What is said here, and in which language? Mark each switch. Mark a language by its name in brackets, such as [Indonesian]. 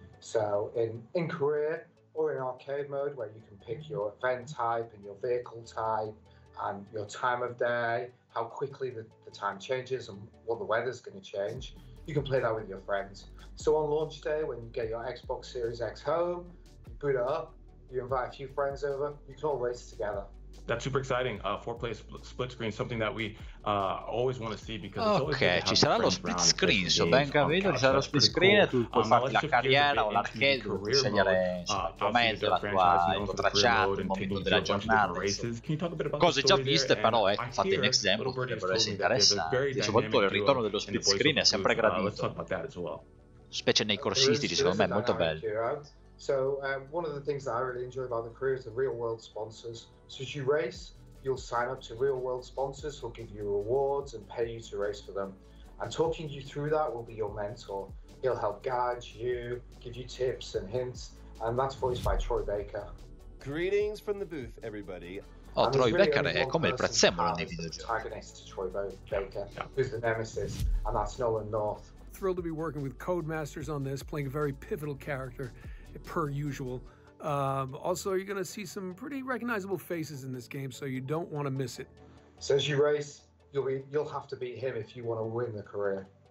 [English] So in career or in arcade mode, where you can pick your event type and your vehicle type and your time of day, how quickly the time changes and what the weather's going to change. You can play that with your friends. So on launch day, when you get your Xbox Series X home, you boot it up, you invite a few friends over, you can all race together. That's super exciting. Four-player split screen, something that we always want to see because okay, it's always good to have [Italian] ci saranno split screen, so ben capito, ci saranno split screen e tu puoi farti la carriera o l'arcade, puoi scegliere sicuramente la tua, il tuo tracciato, il momento della giornata, cose già viste però, fate un esempio che vorrei se interessante, soprattutto il ritorno dello split screen è sempre gradito, specie nei corsisti, secondo me è molto bello. [English] So one of the things that I really enjoy about the career is the real world sponsors. So as you race, you'll sign up to real world sponsors who'll give you rewards and pay you to race for them. And talking you through that will be your mentor. He'll help guide you, give you tips and hints. And that's voiced by Troy Baker. Greetings from the booth, everybody. Oh, and [Italian] Troy Baker really è come il prezzemolo nei videogiochi. [English] Antagonist to Troy Baker, yeah. Who's the nemesis, and that's Nolan North. Thrilled to be working with Codemasters on this, playing a very pivotal character. Per usual. Also, you're going to see some pretty recognizable faces in this game, so you don't want to miss it. So as you race, you'll have to beat him if you want to win the career.